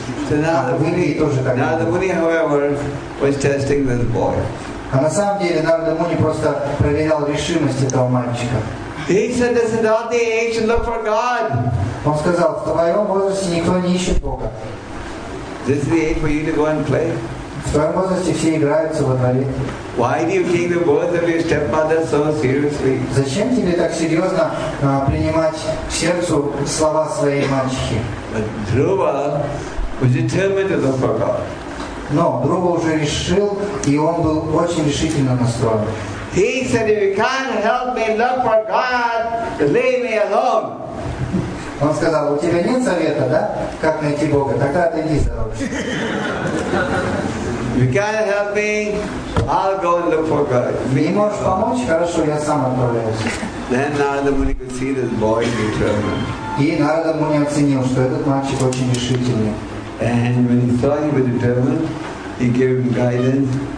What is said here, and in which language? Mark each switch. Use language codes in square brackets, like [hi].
[en] So now, the Muni, however, was testing this boy. [ru] А на самом деле Нарада Муни просто проверял решимость этого мальчика. [en] He said, "This is not the age to look for God." [ru] Он сказал, в твоем возрасте никто не ищет Бога. [en] This is the age for you to go and play. [ru] В твоем возрасте все играются во дворе. [en] Why do you take the birth of your stepmother so seriously? [ru] Зачем тебе так серьезно принимать к сердцу слова своей мальчики? [en] But Dhruva was determined to look for God. [ru] Но Дрова уже решил, и он был очень решительно настроен. [en] He said, "If you can't help me look for God, leave me alone." [ru] Он сказал, у тебя нет совета, да, как найти Бога? Тогда отойди, сорок. [en] If you can't help me, I'll go and look for God. [ru] Не можешь помочь? Хорошо, я сам отправляюсь. [en] Then Narada Muni could see this boy determined. [ru] И Нарада Муни оценил, что этот мальчик очень решительный. [en] And when he saw he was determined, he gave him guidance